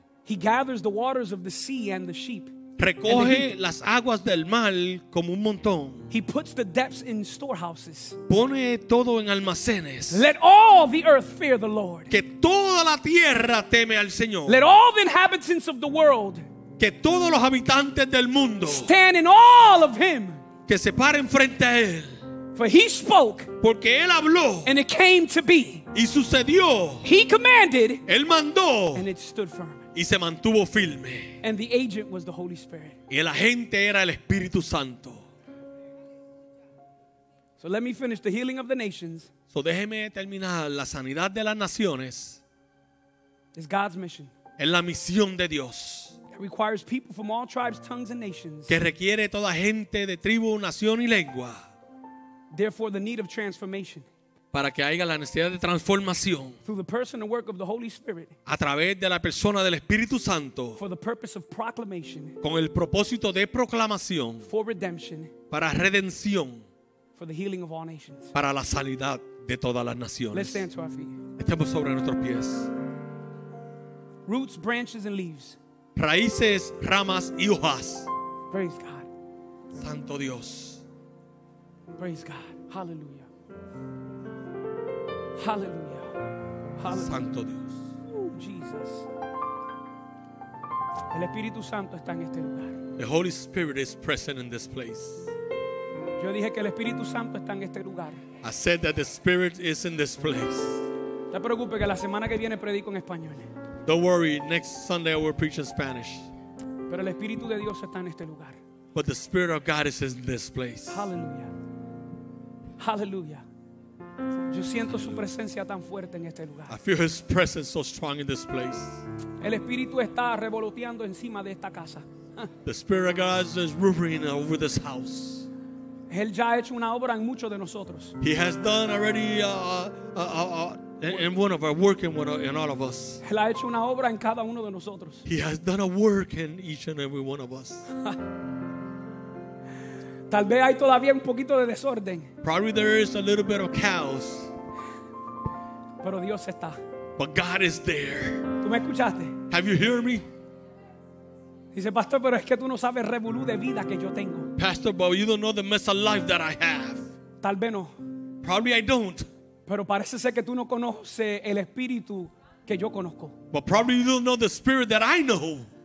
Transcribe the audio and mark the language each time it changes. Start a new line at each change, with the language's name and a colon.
English: He gathers the waters of the sea and the sheep,
Spanish: recoge las aguas del mar como un montón.
English: He puts the depths in storehouses,
Spanish: pone todo en almacenes.
English: Let all the earth fear the Lord,
Spanish: que toda la tierra teme al Señor.
English: Let all the inhabitants of the world,
Spanish: que todos los habitantes del mundo,
English: stand in awe of Him,
Spanish: que se paren frente a Él.
English: For He spoke,
Spanish: porque Él habló,
English: and it came to be,
Spanish: y sucedió.
English: He commanded,
Spanish: Él mandó,
English: and it stood firm,
Spanish: y se mantuvo firme.
English: And the agent was the Holy Spirit.
Spanish: Y el agente era el Espíritu Santo.
English: So let me finish the healing of the nations.
Spanish: So déjeme terminar la sanidad de las naciones.
English: It's God's mission.
Spanish: Es la misión de Dios.
English: It requires people from all tribes, tongues, and nations.
Spanish: Que requiere toda gente de tribu, nación y lengua.
English: Therefore, the need of transformation.
Spanish: Para que haya la necesidad de transformación
English: through the person and work of the Holy Spirit,
Spanish: a través de la persona del Espíritu Santo,
English: for the purpose of proclamation,
Spanish: con el propósito de proclamación,
English: for redemption,
Spanish: para redención,
English: for the healing of all nations,
Spanish: para la sanidad de todas las naciones.
English: Let's stand to our feet.
Spanish: Estemos sobre nuestros pies.
English: Roots, branches, and leaves.
Spanish: Raíces, ramas y hojas.
English: Praise God.
Spanish: Santo Dios.
English: Praise God. Hallelujah. Hallelujah. Hallelujah.
Spanish: Santo Dios. Oh, Jesus. El Espíritu Santo está en este lugar.
English: The Holy Spirit is present in this place.
Spanish: Yo dije que el Espíritu Santo está en este lugar.
English: I said that the Spirit is in this place.
Spanish: No te preocupes que la semana que viene predico en español.
English: Don't worry, next Sunday I will preach in Spanish.
Spanish: Pero el Espíritu de Dios está en este lugar.
English: But the Spirit of God is in this place. Hallelujah. Hallelujah.
Spanish: Yo siento su presencia tan fuerte en este lugar.
English: I feel His presence so strong in this place.
Spanish: El Espíritu está revoloteando encima de esta casa.
English: The Spirit of God is roaring over this house.
Spanish: Él ya ha hecho una obra en muchos de nosotros.
English: He has done already in one of our work in all of us.
Spanish: Él ha hecho una obra en cada uno de nosotros.
English: He has done a work in each and every one of us.
Spanish: Tal vez hay todavía un poquito de desorden.
English: Probably there is a little bit of chaos.
Spanish: Pero Dios está.
English: But God is there.
Spanish: ¿Tú me escuchaste?
English: Have you heard me?
Spanish: Dice pastor, pero es que tú no sabes revolú de vida que yo tengo.
English: Pastor, but you don't know the mess of life that I have.
Spanish: Tal vez no.
English: Probably I don't.
Spanish: Pero parece ser que tú no conoces el espíritu que yo conozco.
English: But probably you don't know the spirit that I know.